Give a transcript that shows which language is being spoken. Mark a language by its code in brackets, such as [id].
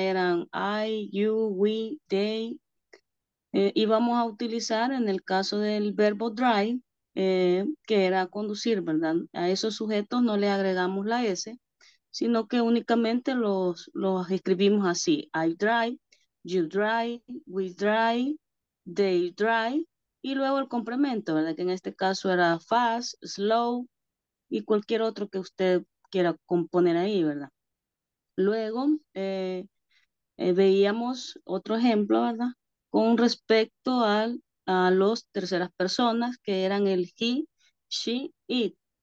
[es] Eran I, you, we, they. Y vamos a utilizar en el caso del verbo drive, que era conducir, ¿verdad? A esos sujetos no le agregamos la S, sino que únicamente los escribimos así. [en] I drive, you drive, we drive. They drive [es] y luego el complemento, ¿verdad? Que en este caso era fast, slow y cualquier otro que usted quiera componer ahí, ¿verdad? Luego veíamos otro ejemplo, ¿verdad? Con respecto a los terceras personas que eran el he, she, it.